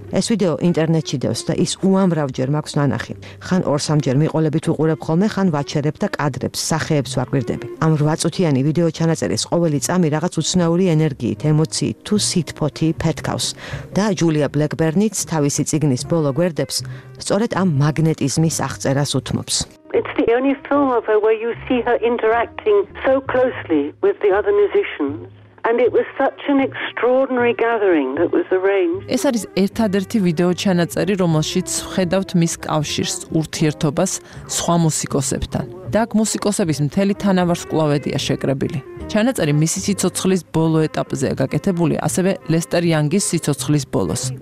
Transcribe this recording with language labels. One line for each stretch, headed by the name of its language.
Georgian: ეს ვიდეო ინტერნეტში დევს და ის უამრავჯერ მაქვს ნანახი. ხან 2-3ჯერ მიყოლებით უყურებ ხოლმე, ხან ვაჩერებ და კადრებს, სახეებს ვაკვირდები. ამ 8 წუთიანი ვიდეო ჩანაწერის ყოველი წამი რაღაც უცნაური ენერგიით, ემოციით თუ სითფოთი ფეთქავს. და ჯულია ბლეკბერნიც თავისი წიგნის ბოლო გვერდებს სწორედ ამ მაგნეტიზმის აღწერას უთმობს.
English: It's the only film of her where you see her interacting so closely with the other musicians. And it was such an extraordinary gathering that was arranged.
Georgian: ეს არის ერთადერთი ვიდეო ჩანაწერი, რომელშიც ხედავთ მის კავშირს, ურთიერთობას სხვა მუსიკოსებთან. და აქ მუსიკოსების მთელი თანავარსკვლავედია შეკრებილი. ჩანაწერი მისი სიცოცხლის ბოლო ეტაპზეა გაკეთებული, ასევე ლესტერ იანგის სიცოცხლის ბოლოს.